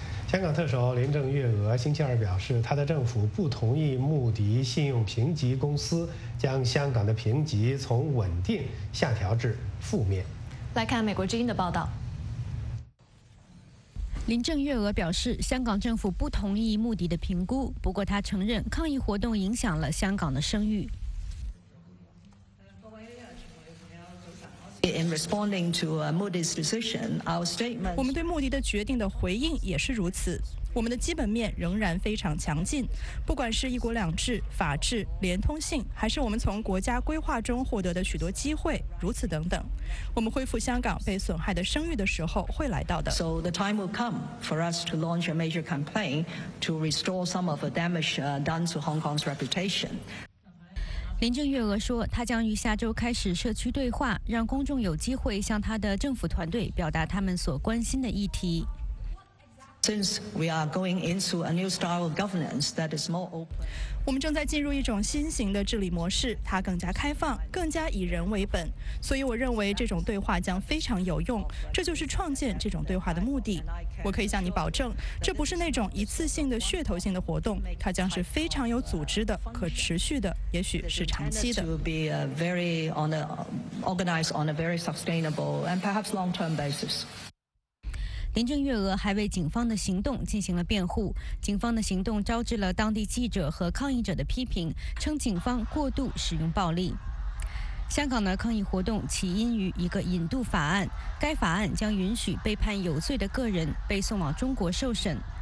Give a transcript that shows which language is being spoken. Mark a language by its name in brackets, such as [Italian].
[Chinese] 香港特首林郑月娥星期二表示，她的政府不同意穆迪信用评级公司将香港的评级从稳定下调至负面。来看美国之音的报道。林郑月娥表示，香港政府不同意穆迪的评估，不过她承认抗议活动影响了香港的声誉。 [English] In responding to Moody's decision, our statement. [Chinese] 我们对穆迪的决定的回应也是如此。我们的基本面仍然非常强劲，不管是一国两制、法治、连通性，还是我们从国家规划中获得的许多机会，如此等等。我们恢复香港被损害的声誉的时候会来到的。 [English] So the time will come for us to launch a major campaign to restore some of the damage done to Hong Kong's reputation. [Chinese] 林郑月娥说，她将于下周开始社区对话，让公众有机会向她的政府团队表达他们所关心的议题。 [English] Since we are going into a new style of governance that is more open, [Chinese] 我们正在进入一种新型的治理模式，它更加开放，更加以人为本。所以我认为这种对话将非常有用，这就是创建这种对话的目的。我可以向你保证，这不是那种一次性的噱头性的活动，它将是非常有组织的、可持续的，也许是长期的。 [English] To be very organized on a very sustainable and perhaps long-term basis. [Chinese] 林郑月娥还为警方的行动进行了辩护，警方的行动招致了当地记者和抗议者的批评，称警方过度使用暴力。香港的抗议活动起因于一个引渡法案，该法案将允许被判有罪的个人被送往中国受审。